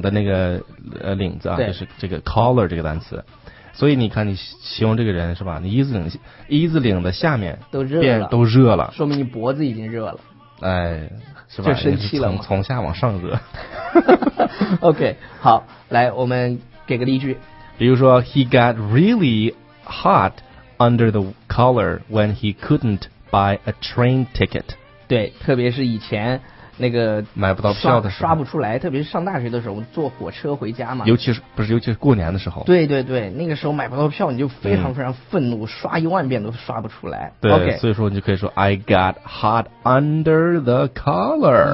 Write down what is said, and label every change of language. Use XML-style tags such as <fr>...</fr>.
<zh>的那个领子啊，就是这个 collar 这个单词。所以你看你形容这个人是吧，你衣子领的下面都热了，都热了，说明你脖子已经热了，哎，是吧，就生气了，从下往上热。 OK， 好，来我们给个例句，比如说</zh> <en>He got really hot under the collar when he couldn't buy a train ticket。</en> <zh>对，特别是以前那个买不到票的时候，刷不出来，特别是上大学的时候坐火车回家嘛，尤其是过年的时候，对对对，那个时候买不到票你就非常非常愤怒，刷一万遍都刷不出来，对、</zh> <en>okay、</en> <zh>所以说你就可以说</zh> <en>I got hot under the collar。</en>